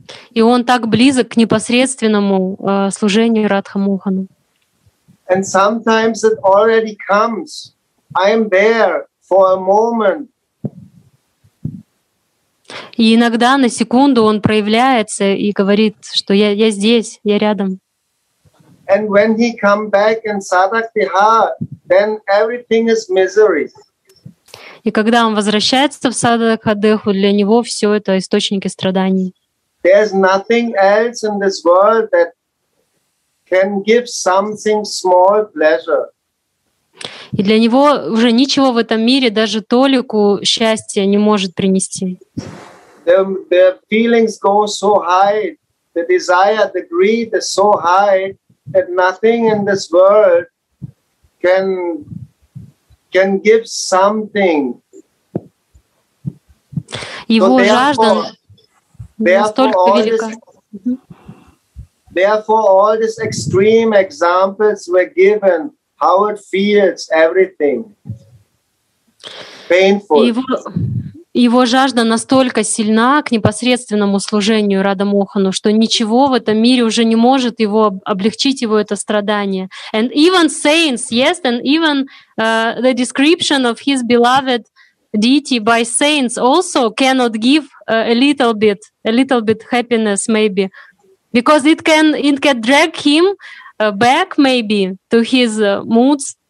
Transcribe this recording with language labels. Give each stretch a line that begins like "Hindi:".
Russian: И он так близок к непосредственному служению Радха Мохану.
English: And sometimes it already comes. I am there for a moment.
Russian: И иногда на секунду он проявляется и говорит, что я здесь, я рядом.
English: And when he come back in Sadak Vihar, then everything is misery.
Russian: И когда он возвращается в Садхадеху, для него все это источники страданий.
English: There's nothing else in this world that can give something small pleasure.
Russian: И для него уже ничего в этом мире, даже толику счастья, не может принести.
English: The feelings go so high, the desire, the greed is so high that nothing in this world can give something.
Russian: Его
English: so
Russian: жажда настолько велика.
English: Therefore, all these extreme examples were given, how it feels, everything. Painful.
Russian: Его жажда настолько сильна к непосредственному служению Радха Мохану, что ничего в этом мире уже не может его облегчить, его это страдание.
English: And even saints, yes, and even the description of his beloved deity by saints also cannot give a little bit happiness maybe, because it can drag him back maybe to his moods.